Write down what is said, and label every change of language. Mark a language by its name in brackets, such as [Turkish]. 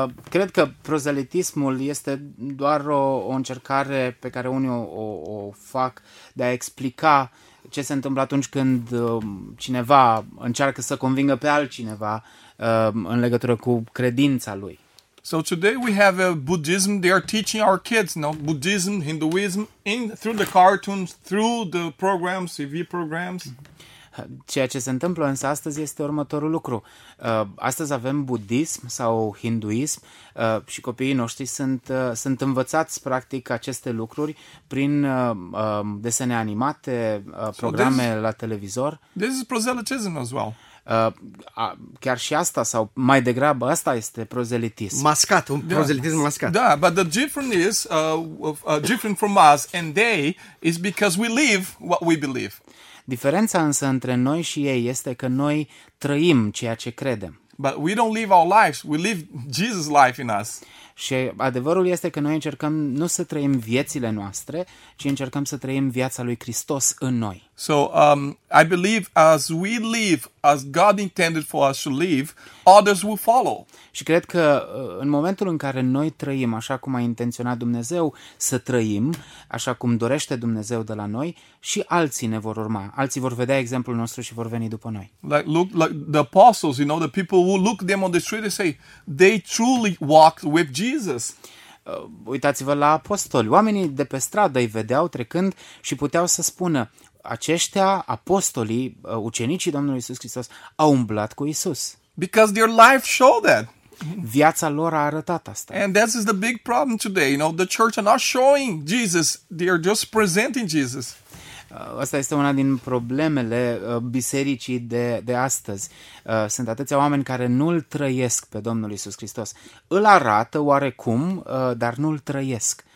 [Romanian] Cred că prozelitismul este doar o încercare pe care unii o fac de a explica ce se întâmplă atunci când cineva încearcă să convingă pe altcineva în legătură cu credința lui. [English] So today we have a Buddhism, they are teaching our kids, you know, Buddhism, Hinduism, through the cartoons, through the programs, TV programs. [Romanian] Ceea ce se întâmplă însă astăzi este următorul lucru. Astăzi avem budism sau hinduism și copiii noștri sunt învățați practic aceste lucruri prin desene animate, programe la televizor. [English] This is proselytism as well. [Romanian] Chiar și asta sau mai degrabă asta este prozelitism. Mascat, un prozelitism mascat. [English] Da, but the difference is different from us and they is because we live what we believe. [Romanian] Diferența însă între noi și ei este că noi trăim ceea ce credem. [English] But we don't live our lives, we live Jesus' life in us. [Romanian] Și adevărul este că noi încercăm nu să trăim viețile noastre, ci încercăm să trăim viața lui Hristos în noi. [English] So, I believe as we live, as God intended for us to live, others will follow. [Romanian] Și cred că în momentul în care noi trăim așa cum a intenționat Dumnezeu să trăim, așa cum dorește Dumnezeu de la noi, și alții ne vor urma. Alții vor vedea exemplul nostru și vor veni după noi. [English] Like the apostles, you know, the people who look them on the street and say, they truly walked with Jesus. [Romanian] Uitați-vă la apostoli. Oamenii de pe stradă îi vedeau trecând și puteau să spună, aceștia, apostolii, ucenicii Domnului Iisus Hristos, au umblat cu Iisus. [English] Because their life showed that. [Romanian] Viața lor a arătat asta. [English] And this is the big problem today, you know, the church are not showing Jesus, they are just presenting Jesus. [Romanian] Asta este una din problemele bisericii de astăzi. Sunt atâția oameni care nu-L trăiesc pe Domnul Iisus Hristos. Îl arată oarecum, dar nu-L trăiesc